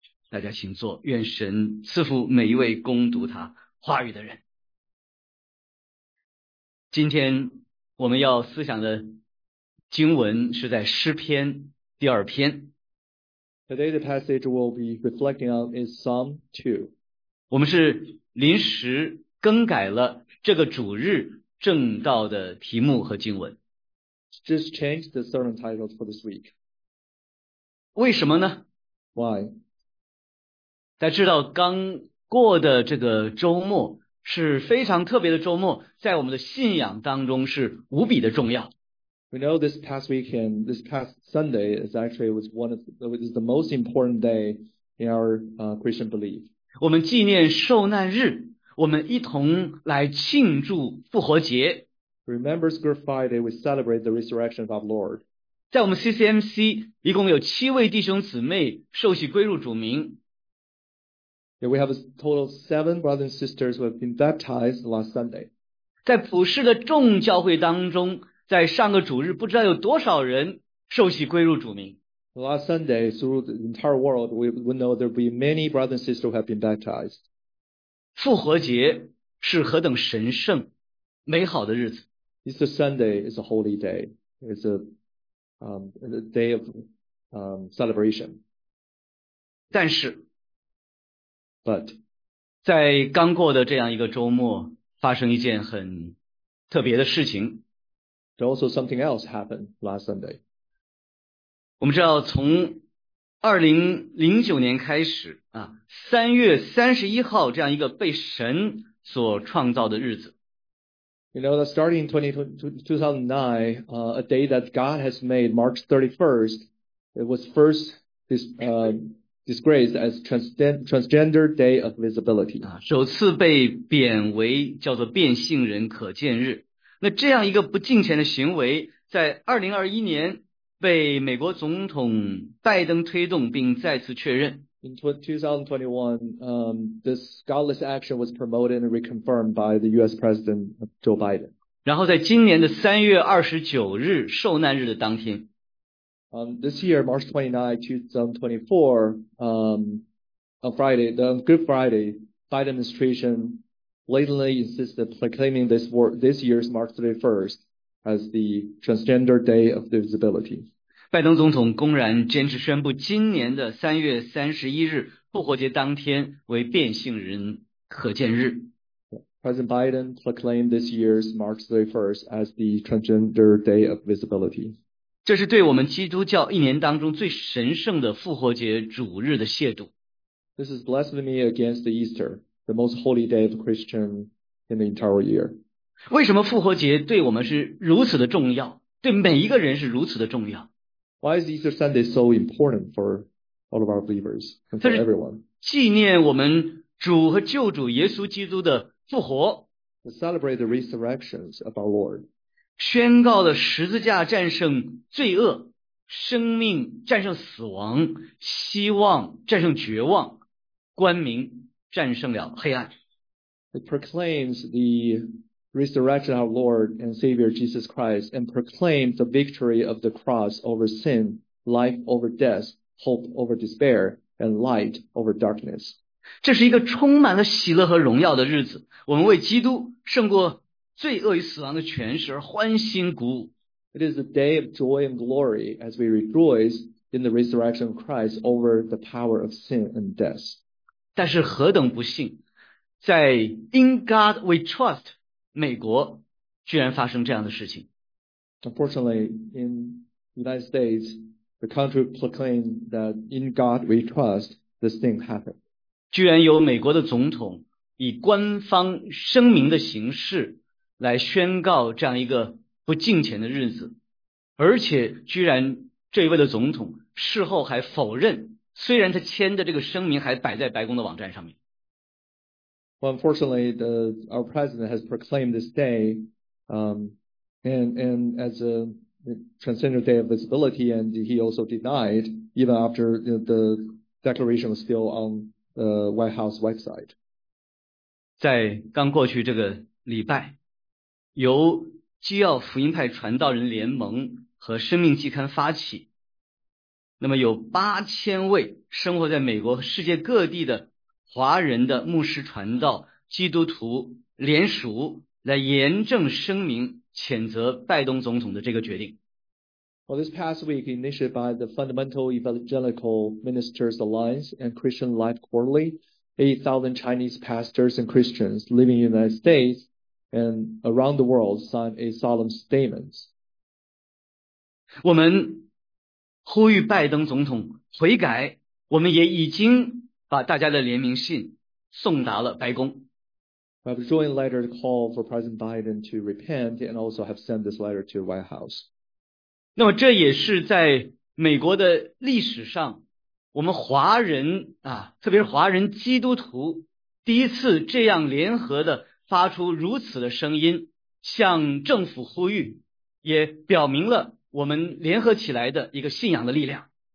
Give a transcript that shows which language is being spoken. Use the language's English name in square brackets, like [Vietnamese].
[Chinese] 大家请坐，愿神赐福每一位攻读他话语的人。今天我们要思想的经文是在诗篇第二篇。 [English] Today the passage we'll be reflecting on is Psalm 2. [Chinese] 我们是临时更改了这个主日正道的题目和经文。 [English] Just changed the sermon title for this week. [Chinese] 为什么呢？ [English] Why? [Chinese] 大家知道刚过的这个周末是非常特别的周末，在我们的信仰当中是无比的重要。 [English] We know this past weekend, this past Sunday is actually was one of the, was the most important day in our Christian belief. [Chinese] 我们纪念受难日，我们一同来庆祝复活节。 [English] Remember Good Friday, we celebrate the resurrection of our Lord. [Chinese] 在我们 CCMC, 一共有七位弟兄姊妹受洗归入主名。 [English] We have a total of seven brothers and sisters who have been baptized last Sunday. [Chinese] 在普世的众教会当中，在上个主日，不知道有多少人受洗归入主名。 [English] Last Sunday, through the entire world, we know there will be many brothers and sisters who have been baptized. [Chinese] 复活节是何等神圣、美好的日子。 [English] Easter Sunday is a holy day. It's a day of celebration. [Chinese] 但是 [English] But, [Chinese] 在刚过的这样一个周末发生一件很特别的事情。 [English] Also something else happened last Sunday. [Chinese] 我们知道从2009年开始啊 ,3 月31号这样一个被神所创造的日子。 [English] You know that starting 2009, a day that God has made, March 31st, it was first disgraced as transgender day of visibility. [Chinese] 首次被贬为叫做变性人可见日。那这样一个不敬虔的行为在2021年被美国总统拜登推动并再次确认。 [English] In 2021, this godless action was promoted and reconfirmed by the US President Joe Biden. [Chinese] 然后在今年的3月29日受难日的当天。 [English] This year, March 29, 2024, on Friday, the Good Friday, Biden administration blatantly insisted proclaiming this year's March 31st as the Transgender Day of Visibility. [Chinese] 拜登总统公然坚持宣布今年的3月31日复活节当天为变性人可见日。 [English] President Biden proclaimed this year's March 31st as the Transgender Day of Visibility. [Chinese] 这是对我们基督教一年当中最神圣的复活节主日的亵渎。 [English] This is blasphemy against the Easter, the most holy day of Christian in the entire year. [Chinese] 为什么复活节对我们是如此的重要？对每一个人是如此的重要？ [English] Why is Easter Sunday so important for all of our believers and for everyone? [Chinese] 纪念我们主和救主耶稣基督的复活。 [English] To celebrate the resurrections of our Lord. [Chinese] 宣告的十字架战胜罪恶。生命战胜死亡，希望战胜绝望，光明战胜了黑暗。 [English] It proclaims the resurrection of our Lord and Savior Jesus Christ and proclaims the victory of the cross over sin, life over death, hope over despair, and light over darkness. [Chinese] 这是一个充满了喜乐和荣耀的日子，我们为基督胜过罪恶与死亡的权势而欢欣鼓舞。 [English] It is a day of joy and glory as we rejoice in the resurrection of Christ over the power of sin and death. [Chinese] 但是何等不幸，在 [English] In God We Trust [Chinese] 美国居然发生这样的事情。 [English] Unfortunately, in the United States, the country proclaimed that In God We Trust, this thing happened. [Chinese] 居然由美国的总统以官方声明的形式来宣告这样一个不敬虔的日子，而且居然这位的总统事后还否认，虽然他签的这个声明还摆在白宫的网站上面。 [English] Well, unfortunately, our president has proclaimed this day, and as a transgender day of visibility, and he also denied even after the declaration was still on the White House website. [Chinese] 在刚过去这个礼拜，由基要福音派传道人联盟和生命季刊发起，那么有8000位生活在美国世界各地的华人的牧师传道基督徒联署来严正声明谴责拜登总统的这个决定。 [English] Well, this past week initiated by the Fundamental Evangelical Ministers Alliance and Christian Life Quarterly, 8,000 Chinese pastors and Christians living in the United States and around the world signed a solemn statement. [Chinese] 我们呼吁拜登总统悔改，我们也已经把大家的联名信送达了白宫。 [English] I have a joint letter to call for President Biden to repent and also have sent this letter to the White House. [Chinese] 那么这也是在美国的历史上，我们华人啊，特别是华人基督徒第一次这样联合的发出如此的声音，向政府呼吁，也表明了我们联合起来的一个信仰的力量。